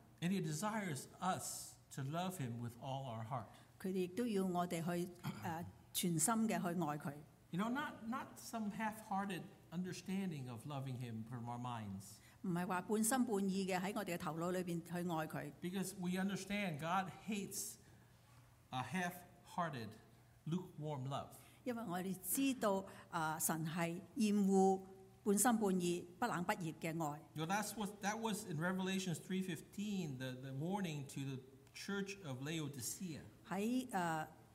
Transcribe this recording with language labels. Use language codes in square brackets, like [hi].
[en] And he desires us to love him with all our heart. [zh] 他们也要我们去全心的去爱他。 [en] You know, not some half-hearted understanding of loving him from our minds. [zh] 不是说半心半意的在我们的头脑里面去爱他。 [en] Because we understand God hates a half-hearted, lukewarm love. [zh] 因为我们知道神是厌恶半心半意、不冷不热的爱。 [en] You know, that was in Revelation 3:15, the warning to the church of Laodicea.